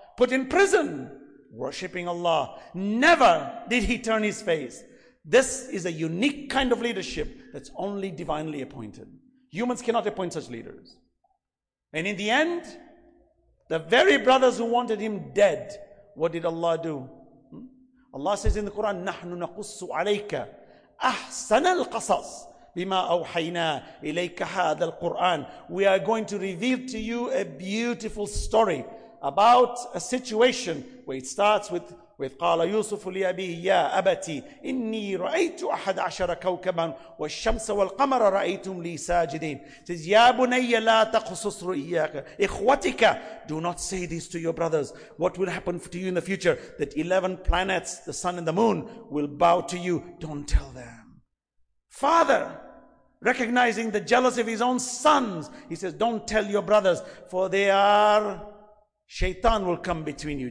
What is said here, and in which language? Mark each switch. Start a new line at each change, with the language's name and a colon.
English: Put in prison, worshipping Allah. Never did he turn his face. This is a unique kind of leadership that's only divinely appointed. Humans cannot appoint such leaders. And in the end, the very brothers who wanted him dead, what did Allah do?
Arabic: Allah says in the Quran, نَحْنُ نَقُصُّ عَلَيْكَ أَحْسَنَ الْقَصَصِ بِمَا أَوْحَيْنَا إِلَيْكَ هَذَا الْقُرْآنِ.
English: We are going to reveal to you a beautiful story about a situation where it starts with
Arabic: قَالَ يُوسُفُ لِيَبِيهِ يَا أَبَتِي إِنِّي رَأَيْتُ أَحَدَ عَشَرَ كَوْكَبًا وَالشَّمْسَ وَالْقَمَرَ رَأَيْتُمْ لِي سَاجِدِينَ.
English: It says,
Arabic: يَا بُنَيَّ لَا تَقْصُصْ رُؤْيَاكَ إِخْوَتِكَ.
English: Do not say this to your brothers. What will happen to you in the future? That 11 planets, the sun and the moon, will bow to you. Don't tell them. Father, recognizing the jealousy of his own sons, he says, don't tell your brothers, for they are, shaitan will come between you.